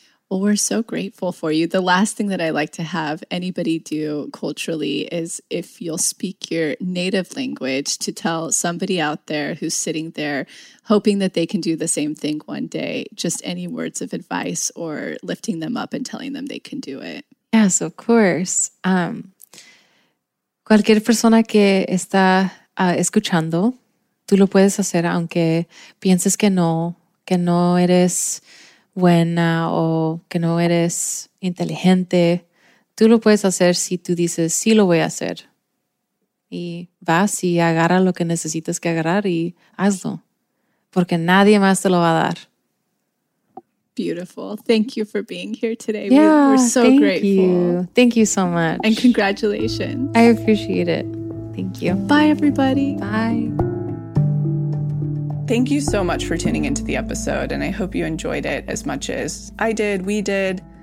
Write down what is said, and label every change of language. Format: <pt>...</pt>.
<en>Well, we're so grateful for you. The last thing that I like to have anybody do culturally is if you'll speak your native language to tell somebody out there who's sitting there hoping that they can do the same thing one day, just any words of advice or lifting them up and telling them they can do it. Yes, of course.</en> <es>Cualquier persona que está escuchando, tú lo puedes hacer aunque pienses que no eres buena o que no eres inteligente, tú lo puedes hacer si tú dices, sí lo voy a hacer. Y vas y agarra lo que necesitas que agarrar y hazlo, porque nadie más te lo va a dar.</es> <en>Beautiful. Thank you for being here today. Yeah, we're so thank grateful. You. Thank you so much. And congratulations. I appreciate it. Thank you. Bye, everybody. Bye. Thank you so much for tuning into the episode, and I hope you enjoyed it as much as I did, we did.</en>